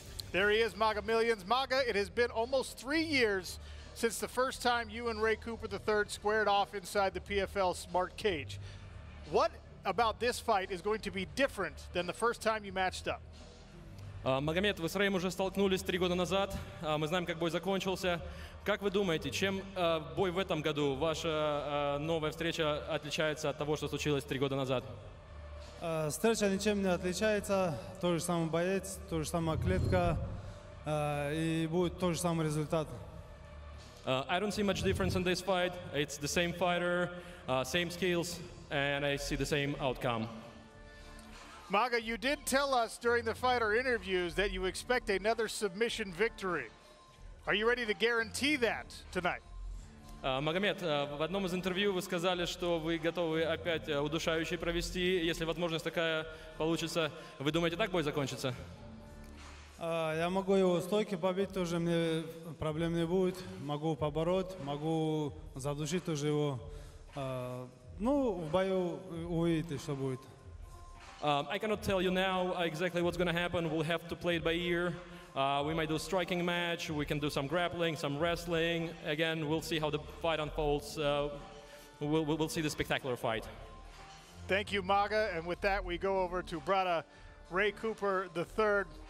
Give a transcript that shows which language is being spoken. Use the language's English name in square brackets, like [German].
[English] There he is, Maga Millions. Maga, it has been almost 3 years since the first time you and Ray Cooper III squared off inside the PFL Smart Cage. What about this fight is going to be different than the first time you matched up? [Russian] Магомед, вы с Рэем уже столкнулись 3 года назад. Мы знаем, как бой закончился. Как вы думаете, чем бой в этом году, ваша новая встреча, отличается от того, что случилось 3 года назад? Встреча ничем не отличается. Тот же самый боец, та же самая клетка. И будет тот же самый результат. [English] I don't see much difference in this fight. It's the same fighter, same skills. And I see the same outcome. Maga, you did tell us during the fighter interviews that you expect another submission victory. Are you ready to guarantee that tonight? [Russian] Магомед, в одном из интервью вы сказали, что вы готовы опять удушающий провести, если возможность такая получится. Вы думаете, так бой закончится? Я могу его стойки побить, тоже мне проблем не будет. Могу побороть, могу задушить тоже его. Ну, в бою увидите, что будет. [English] I cannot tell you now exactly what's going to happen. We'll have to play it by ear. We might do a striking match. We can do some grappling, some wrestling. Again, we'll see how the fight unfolds. We'll see the spectacular fight. Thank you, Maga. And with that, we go over to Brada Ray Cooper III.